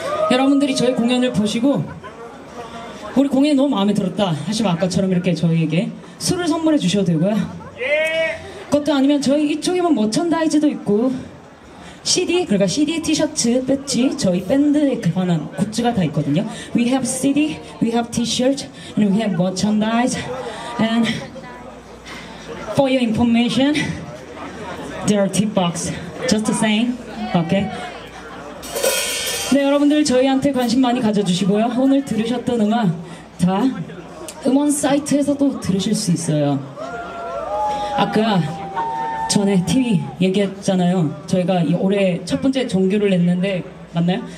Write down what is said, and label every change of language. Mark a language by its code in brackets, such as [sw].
[ko] 여러분들이 저희 공연을 보시고 우리 공연이 너무 마음에 들었다 하시면 아까처럼 이렇게 저희에게 술을 선물해 주셔도 되고요. 그것도 아니면 저희 이쪽에 보면 머천다이즈도 있고 CD, 그러니까 CD, 티셔츠, 배지, 저희 밴드에 관한 굿즈가 다 있거든요. [en] We have CD, we have T-shirt, and we have merchandise. And for your information, there are tip box. Just saying. Okay. [ko] 네, 여러분들 저희한테 관심 많이 가져주시고요. 오늘 들으셨던 음악 다 음원 사이트에서도 들으실 수 있어요. 아까 전에 TV 얘기했잖아요. 저희가 올해 첫 번째 종교를 냈는데 맞나요?